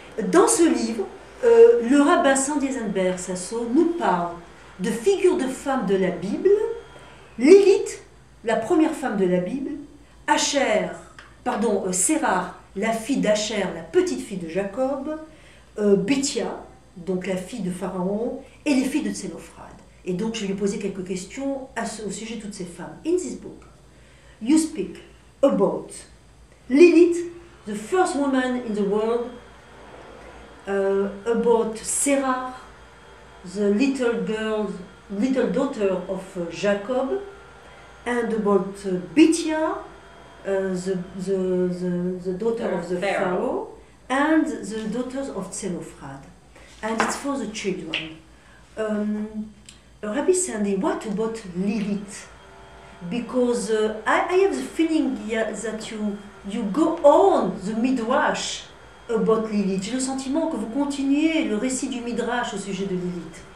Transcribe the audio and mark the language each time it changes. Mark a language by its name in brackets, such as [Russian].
[French] Dans ce livre, le rabbin Sandy Eisenberg Sasso nous parle de figures de femmes de la Bible, Lilith, la première femme de la Bible, Sarah, la fille d'Asher, la petite fille de Jacob, Bithya, donc la fille de Pharaon, et les filles de Tselophrade. Et donc je lui ai posé quelques questions au sujet de toutes ces femmes. [English] In this book, you speak about Lilith, the first woman in the world, about Sarah, the little girl, little daughter of Jacob, and about Bithya, the daughter of the Pharaoh, and the daughters of Tselophrade. And it's for the children. Rabbi Sandy, what about Lilith? Because I have the feeling that you go on the midrash about Lilith. [French] J'ai le sentiment que vous continuez le récit du midrash au sujet de Lilith.